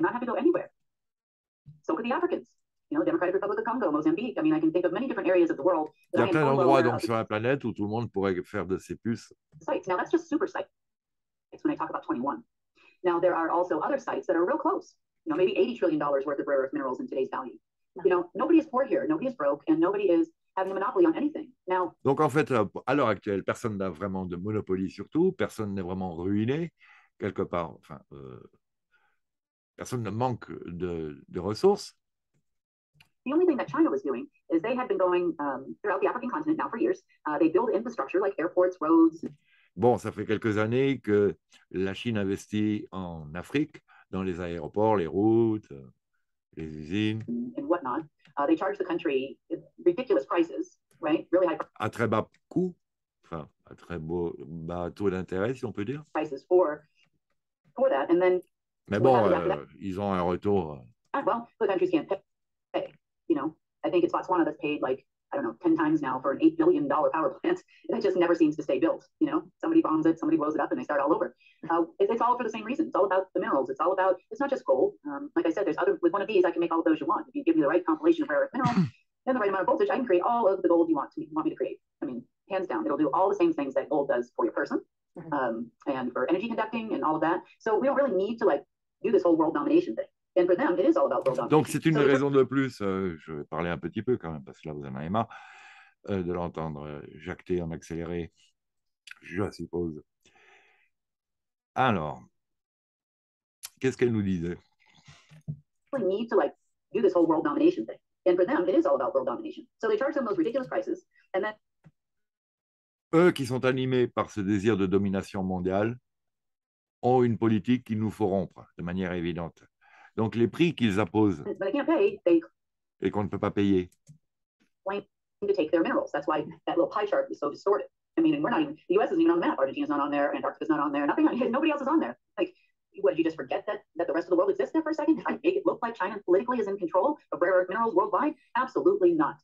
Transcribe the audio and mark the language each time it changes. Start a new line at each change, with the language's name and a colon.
English: not have to go anywhere. So could the Africans. You know, Democratic Republic of Congo, Mozambique. I mean, I can think of many different areas of the world.
French: Il y a plein d'endroits donc sur la planète où tout le monde pourrait faire de ces puces.
English: Sites. Now that's just super sites. It's when I talk about 21. Now there are also other sites that are real close. You know, maybe $80 trillion worth of rare earth minerals in today's value. You know, nobody is poor here. Nobody is broke, and nobody is having a monopoly on anything. Now.
French: Donc en fait, à l'heure actuelle, personne n'a vraiment de monopole sur tout. Personne n'est vraiment ruiné quelque part. Enfin, personne ne manque de ressources.
English: The only thing that China was doing is they had been going throughout the African continent now for years. They build infrastructure like airports, roads.
French: Bon, ça fait quelques années que la Chine investit en Afrique, dans les aéroports, les routes, les usines.
English: And whatnot. They charge the country ridiculous prices, right? Really high.
French: À très bas coût, enfin, à très bas taux d'intérêt, si on peut dire.
English: Prices for that. And then
French: Mais bon, ils ont un retour.
English: Ah, well, the countries can't pay. You know, I think it's Botswana that's paid like, I don't know, 10 times now for an $8 billion power plant. That just never seems to stay built. You know, somebody bombs it, somebody blows it up, and they start all over. It's all for the same reason. It's all about the minerals. It's all about, it's not just gold. Like I said, there's other, with one of these, I can make all of those you want. If you give me the right compilation of rare earth minerals and the right amount of voltage, I can create all of the gold you want me to create. I mean, hands down, it'll do all the same things that gold does for your person. And for energy conducting and all of that. So we don't really need to like do this whole world domination thing. And for them, it is all about world domination.
French: Donc c'est une raison de plus, je vais parler un petit peu quand même, parce que là vous en avez marre, de l'entendre jacter en accéléré, je suppose. Alors, qu'est-ce qu'elle nous disait?
English: We don't need to like do this whole world domination thing. And for them, it is all about world domination. So they charge them those ridiculous prices, and then
French: eux qui sont animés par ce désir de domination mondiale ont une politique qu'il nous faut rompre de manière évidente. Donc les prix qu'ils imposent et qu'on ne peut pas payer.
English: What, did you just forget that the rest of the world exists there for a second? I make it look like China politically is in control of rare earth minerals worldwide? Absolutely not.